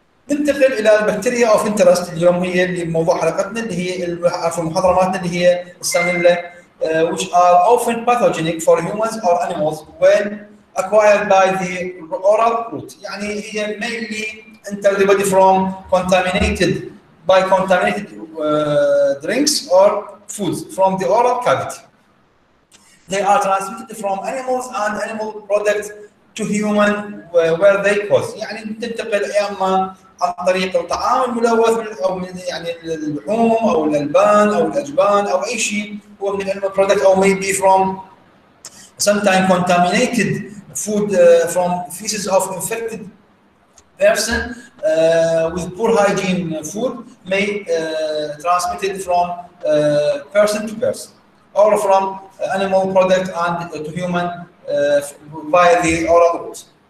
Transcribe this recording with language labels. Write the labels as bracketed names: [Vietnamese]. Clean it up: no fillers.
[Arabic] ننتقل الى البكتيريا اوف انترست اليوم، هي اللي موضوع حلقتنا، اللي هي في محاضراتنا، اللي هي السالمونيلا، [English] which are often pathogenic for humans or animals when acquired by the oral route. [Arabic] يعني هي [English] mainly enter the body from contaminated by contaminated drinks or foods from the oral cavity. They are transmitted from animals and animal products to human where they cause. [Arabic] يعني تنتقل يا اما عن طريق الطعام الملوث او من يعني اللحوم او الالبان او الاجبان او اي شيء هو من [English] الانيمال برودكت، او maybe from some time contaminated food from feces of infected person with poor hygiene food may transmitted from person to person or from animal product and to human by the oral route.